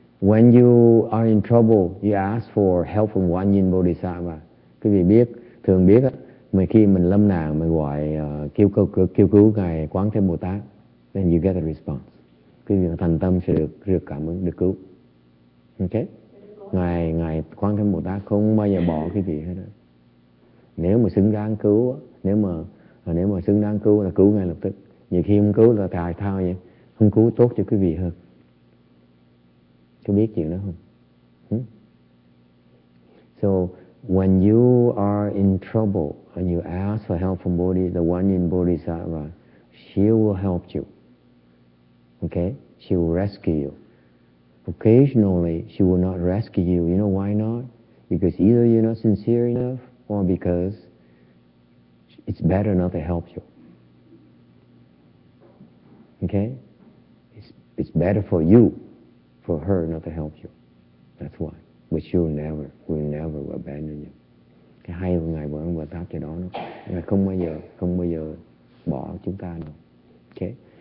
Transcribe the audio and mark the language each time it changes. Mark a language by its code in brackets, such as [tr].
[en] When you are in trouble, you ask for help from Quan Yin Bodhisattva. [vi] Quý vị biết, thường biết, mình khi mình lâm nạn, mình gọi kêu cứu Ngài Quán Thế Bồ Tát, [en] then you get a response. [vi] Quý vị thành tâm sẽ được cảm ứng, được cứu. Ok? Ngài Quán Thế Bồ Tát không bao giờ bỏ quý vị hết. Nếu mà xứng đáng cứu, nếu mà xứng đáng cứu là cứu ngay lập tức. Nhiều khi không cứu là tài thao vậy, không cứu tốt cho quý vị hơn. Có biết chuyện đó không? [en] So when you are in trouble and you ask for help from Bodhi, the one in Bodhisattva, she will help you. Okay? She will rescue you. Occasionally, she will not rescue you. You know why not? Because either you're not sincere enough or because it's better not to help you. Okay? It's better for you, for her not to help you. That's why. But she will never abandon you. [vi] Cái hay của Ngài Quán Thế Bồ Tát cái đó nó, Ngài không bao giờ bỏ chúng ta đâu. Okay?